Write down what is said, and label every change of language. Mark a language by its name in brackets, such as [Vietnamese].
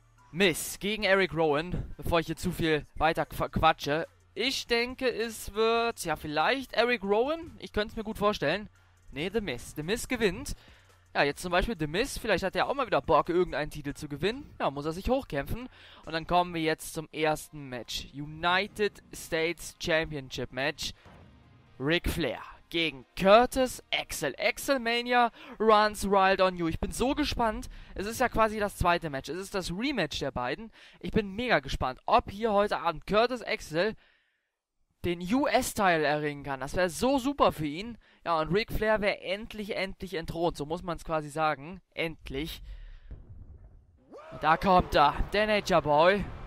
[German] Miss gegen Eric Rowan, bevor ich hier zu viel weiter quatsche. Ich denke, es wird, ja, vielleicht Eric Rowan. Ich könnte es mir gut vorstellen. Nee, The Miz. The Miz gewinnt. Ja, jetzt zum Beispiel The Miz. Vielleicht hat er auch mal wieder Bock, irgendeinen Titel zu gewinnen. Ja, muss er sich hochkämpfen. Und dann kommen wir jetzt zum ersten Match. United States Championship Match. Ric Flair gegen Curtis Axel. [English] Axelmania runs wild on you. [German] Ich bin so gespannt. Es ist ja quasi das zweite Match. Es ist das Rematch der beiden. Ich bin mega gespannt, ob hier heute Abend Curtis Axel den US-Title erringen kann. Das wäre so super für ihn. Ja, und Ric Flair wäre endlich entthront. So muss man es quasi sagen. Endlich. Da kommt er. Der Nature Boy.